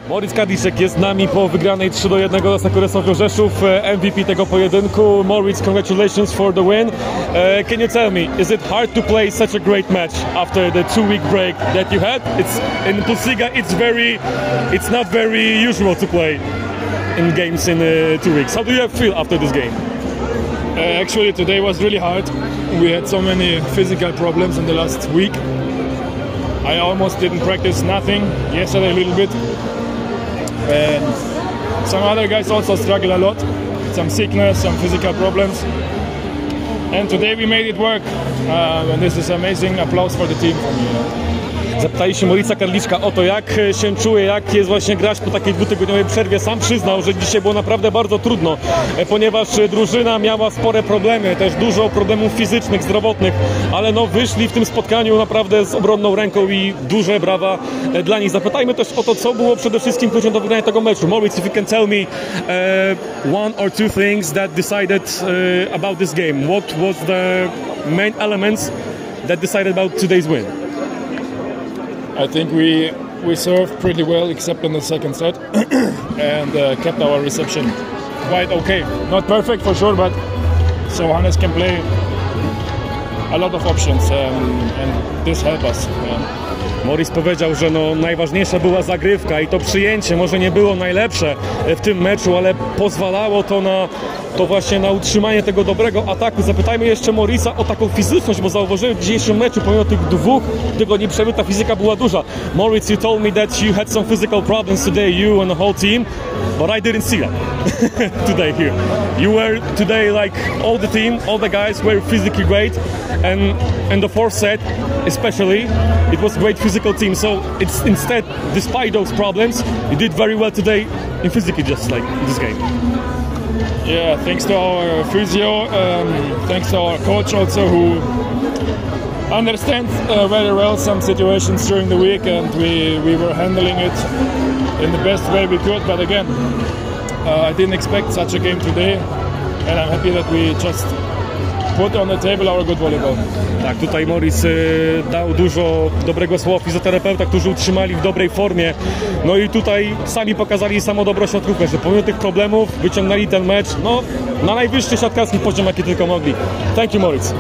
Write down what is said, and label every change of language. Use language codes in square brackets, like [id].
[pl] Moritz Kadiszek jest z nami po wygranej 3-1 z Akuresowiu Rzeszów, MVP tego pojedynku. [en] Moritz, congratulations for the win. Can you tell me, is it hard to play such a great match after the 2-week break that you had? It's in Bundesliga, it's not very usual to play in games in 2 weeks. How do you feel after this game? Actually, today was really hard. We had so many physical problems in the last week. I almost didn't practice nothing yesterday, a little bit. And some other guys also struggle a lot. Some sickness, some physical problems. And today we made it work. And this is amazing. Applause for the team. [pl] Zapytaliśmy Moritza Kadiszka o to, jak się czuje, jak jest właśnie grać po takiej dwutygodniowej przerwie. Sam przyznał, że dzisiaj było naprawdę bardzo trudno, ponieważ drużyna miała spore problemy, też dużo problemów fizycznych, zdrowotnych, ale no wyszli w tym spotkaniu naprawdę z obronną ręką i duże brawa dla nich. Zapytajmy też o to, co było przede wszystkim kluczem do wygrania tego meczu. [en] Moritz, if you can tell me one or two things that decided about this game. What was the main elements that decided about today's win? I think we served pretty well, except in the second set, and kept our reception quite okay. Not perfect for sure, but so Hannes can play a lot of options, and this helped us. [pl] Moritz powiedział, że no najważniejsza była zagrywka i to przyjęcie może nie było najlepsze w tym meczu, ale pozwalało to na to właśnie na utrzymanie tego dobrego ataku. Zapytajmy jeszcze Moritza o taką fizyczność, bo zauważyłem w dzisiejszym meczu, pomimo tych dwóch tygodni przerwy, ta fizyka była duża. [en] Moritz, you told me that you had some physical problems today, you and the whole team, but I didn't see that today here. You were today like all the team, all the guys were physically great, and in the fourth set especially, it was great physical team. So it's instead, despite those problems, you did very well today in physically, just like this game. Yeah, thanks to our physio, thanks to our coach also, who understands very well some situations during the week, and we were handling it in the best way we could. But again, I didn't expect such a game today, and I'm happy that we just put on the table our good volleyball. [pl] Tak, tutaj Moritz dał dużo dobrego słowa fizjoterapeuta, którzy utrzymali w dobrej formie. No i tutaj sami pokazali samo dobro siatkówkę, że pomimo tych problemów wyciągnęli ten mecz no, na najwyższy siatkarski poziom, jaki tylko mogli. Thank you, Moritz.